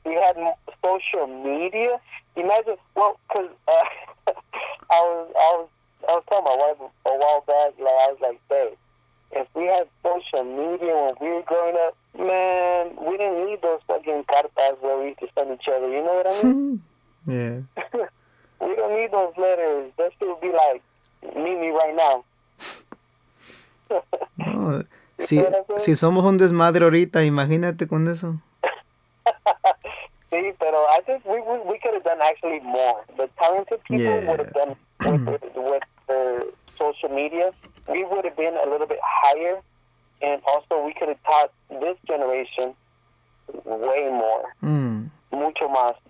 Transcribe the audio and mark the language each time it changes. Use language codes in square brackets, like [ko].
[en] If we had social media, imagine, well, because I was telling my wife a while back, like, I was like, babe, if we had social media when we were growing up, man, we didn't need those fucking cartas where we used to send each other. You know what I mean? Yeah. We don't need those letters. That still be like, meet me right now. [es] Si somos un desmadre ahorita, imagínate con eso. Sí, pero [en] I think we could have done actually more. The talented people would have done with the social media. We would have been a little bit higher. And also, we could have taught this generation way more. [es] Mucho más.